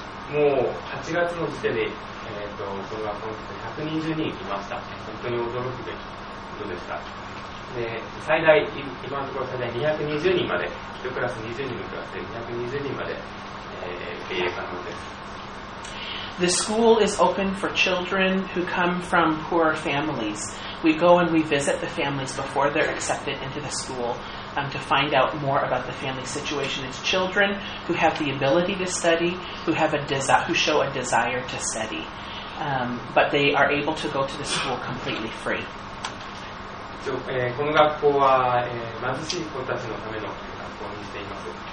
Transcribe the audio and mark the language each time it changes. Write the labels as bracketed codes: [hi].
[ja] もう8月の時点で、その学校の120人いました。本当に驚くべきことでした。で最大今のところ最大220人まで一クラス20人のクラスで220人まで、受け入れ可能です。 [en] The school is open for children who come from poor families. We go and we visit the families before they're accepted into the school, to find out more about the family situation. It's children who have the ability to study, who have a who show a desire to study, but they are able to go to the school completely free. [ja] この学校は、貧しい子たちのための学校にしています。